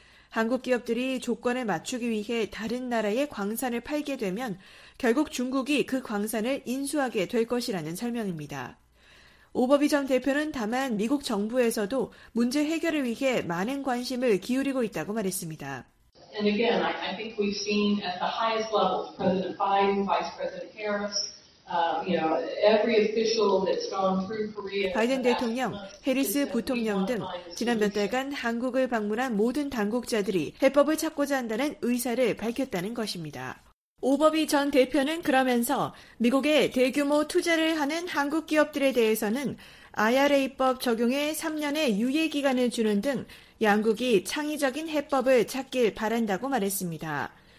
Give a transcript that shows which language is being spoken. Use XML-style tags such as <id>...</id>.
<ko>한국 기업들이 조건을 맞추기 위해 다른 나라의 광산을 팔게 되면 결국 중국이 그 광산을 인수하게 될 것이라는 설명입니다. 오버비 전 대표는 다만 미국 정부에서도 문제 해결을 위해 많은 관심을 기울이고 있다고 말했습니다.</ko> <en>And again, I think we've seen at the highest levels, President Biden, Vice President Harris, every official that's gone through Korea.</en> <ko>바이든 대통령, 해리스 부통령 등 지난 몇 달간 한국을 방문한 모든 당국자들이 해법을 찾고자 한다는 의사를 밝혔다는 것입니다. 오버비 전 대표는 그러면서 미국에 대규모 투자를 하는 한국 기업들에 대해서는 IRA법 적용에 3년의 유예기간을 주는 등 양국이 창의적인 해법을 찾길 바란다고 말했습니다.</ko>